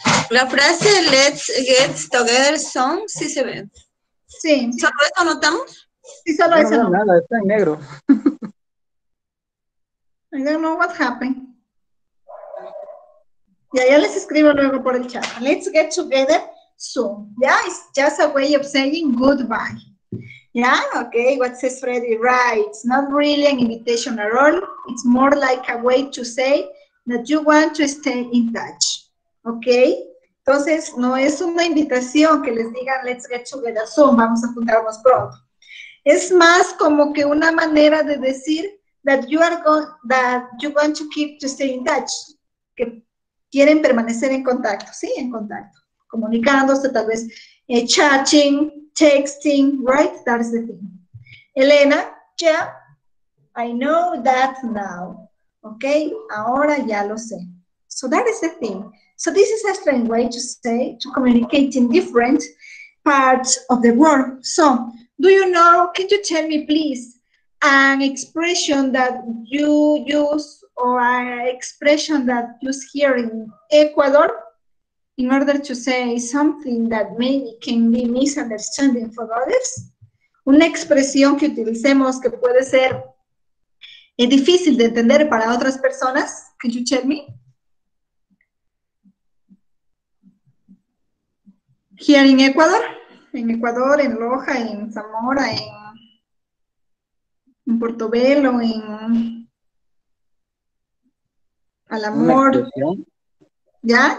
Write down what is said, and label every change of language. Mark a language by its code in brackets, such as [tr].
[es] La frase [en] let's get together song [es] sí se ve. Sí. ¿Solo eso notamos? Sí, solo eso. No, nada, está en negro. [en] I don't know what happened. [es] Ya, ya les escribo luego por el chat. [en] Let's get together soon. Ya, yeah, it's just a way of saying goodbye. Ya, yeah? Ok, what says Freddy? Right, it's not really an invitation at all. It's more like a way to say that you want to stay in touch. Ok. [es] Entonces, no es una invitación que les digan, [en] let's get together soon, [es] vamos a juntarnos pronto. Es más como que una manera de decir [en] that you are going to keep to stay in touch. Que [es] quieren permanecer en contacto, sí, en contacto, comunicándose, tal vez [en] chatting, texting, right? That's the thing. Elena, yeah, I know that now. Okay, [es] ahora ya lo sé. [en] So that is the thing. So this is a strange way to say, to communicate in different parts of the world. So, do you know, can you tell me, please, an expression that you use or an expression that you use here in Ecuador in order to say something that maybe can be misunderstanding for others? [es] Una expresión que utilicemos que puede ser difícil de entender para otras personas. [en] Can you tell me? [es] Here in Ecuador, en Loja, en Zamora, en Portobelo, en Alamor. ¿Ya?